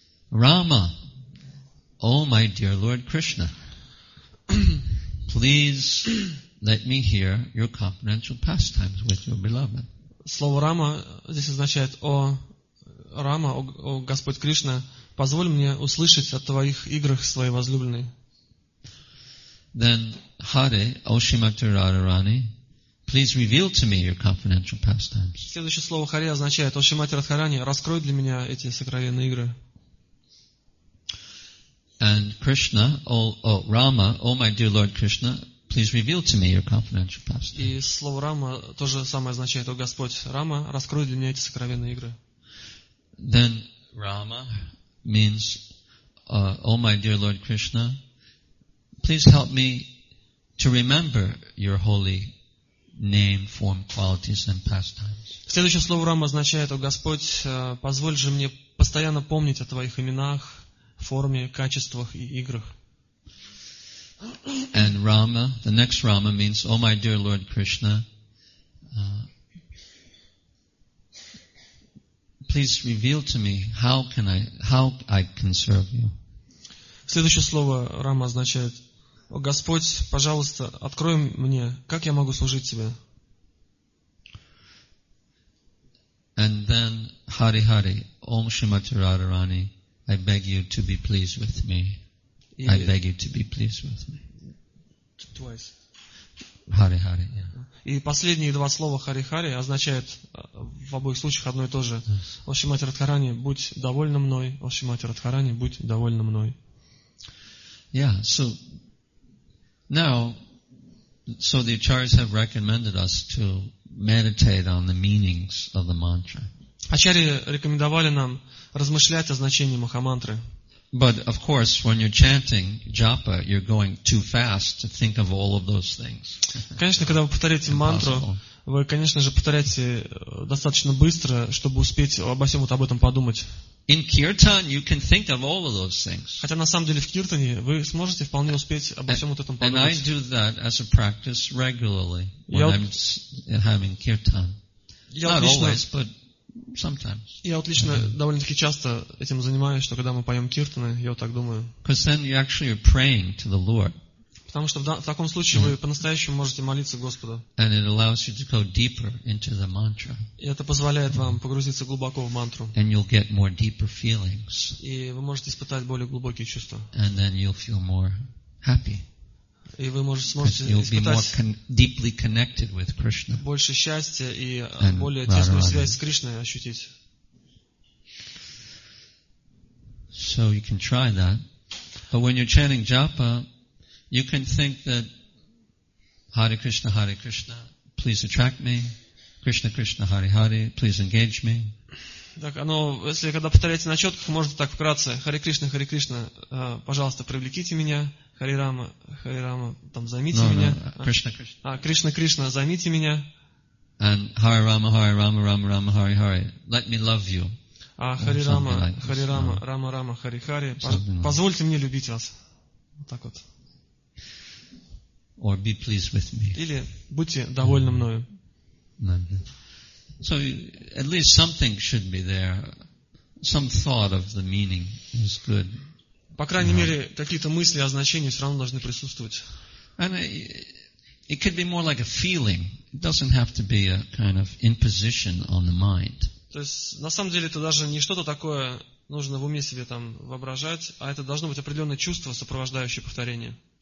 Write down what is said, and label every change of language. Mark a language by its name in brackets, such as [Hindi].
[English] Rama, O my dear Lord Krishna, please let me hear your confidential pastimes with your beloved. [Russian] Слово Рама здесь означает: «О Рама, о Господь Кришна, позволь мне услышать о твоих играх с твоей возлюбленной». [English] Then Hare, O Shrimati Radharani, please reveal to me your confidential pastimes. [Russian] Следующее слово Хари означает: О Шримати Радхарани, раскрой для меня эти сокровенные игры. [English] And Krishna, Rama, O my dear Lord Krishna, please reveal to me your confidential pastimes. [Russian] И слово Рама тоже самое означает: О Господь Рама, раскрой для меня эти сокровенные игры. [English] Then Rama means, O my dear Lord Krishna, please help me to remember your holy name, form, qualities, and pastimes. [Russian] Следующее слово Рама означает: О Господь, позволь же мне постоянно помнить о твоих именах, форме, качествах и играх. [English] And Rama, the next Rama means, O my dear Lord Krishna, please reveal to me how I can serve you. [Russian] Следующее слово Рама означает: О Господь, пожалуйста, открой мне, как я могу служить Тебе. [English] And then, Hari Hari, Om Shrimati Radharani, I beg you to be pleased with me. I beg you to be pleased with me. Twice. Hari Hari, yeah. [Russian] И последние два слова Hari Hari означают в обоих случаях одно и то же. О Шримати Радхарани, будь довольна мной. О Шримати Радхарани, будь довольна мной. [English] Yeah, so... Now, so the acharyas have recommended us to meditate on the meanings of the mantra. [Russian] Ачарьи рекомендовали нам размышлять о значении махамантры. [English] But of course, when you're chanting japa, you're going too fast to think of all of those things. [Russian] Конечно, когда вы повторяете мантру, вы, конечно же, повторяете достаточно быстро, чтобы успеть обо всем вот об этом подумать. [English] In kirtan, you can think of all of those things. [Russian] Хотя на самом деле в киртане вы сможете вполне успеть обо всем вот этом подумать. [English] And I do that as a practice regularly when I'm having kirtan. Not always, but sometimes. [Russian] Я вот лично довольно-таки часто этим занимаюсь, что когда мы поем киртаны, я вот так думаю. [English] Because then you actually are praying to the Lord. [Russian] Потому что в таком случае вы по-настоящему можете молиться Господу. [English] And it allows you to go deeper into the mantra. [Russian] И это позволяет вам погрузиться глубоко в мантру. [English] And you'll get more deeper feelings. [Russian] И вы можете испытать более глубокие чувства. [English] And then you'll feel more happy. [Russian] И вы можете сможете испытать [English] be more deeply connected with Krishna. [Russian] Больше счастья и [English] and [Russian] более тесную Radharani. Связь с Кришной ощутить. [English] So you can try that. But when you're chanting japa, you can think that Hare Krishna, Hare Krishna, please attract me. Krishna, Krishna, Hare Hare, please engage me. [Russian] Так, оно, если когда повторяете на четках, можно так вкратце: Hare Krishna, Hare Krishna, пожалуйста, привлеките меня. Hare Rama, Hare Rama, там, займите меня. [Sanskrit] Krishna, Krishna. [Russian] Krishna, Krishna, займите меня. [English] And Hare Rama, Hare Rama, Rama Rama, Hare Hare, let me love you. [Russian] Hare Rama, Hare Rama, Rama Rama, Hare Hare, позвольте мне любить вас. Вот так вот. [English] Or be pleased with me. [Russian] Или будьте довольны мною. [English] So at least something should be there. Some thought of the meaning is good. [Russian] По крайней мере, какие-то мысли о значении все равно должны присутствовать. [English] And it could be more like a feeling. It doesn't have to be a kind of imposition on the mind. [Russian] То есть на самом деле это даже не что-то такое нужно в уме себе там воображать, а это должно быть определенное чувство, сопровождающее повторение.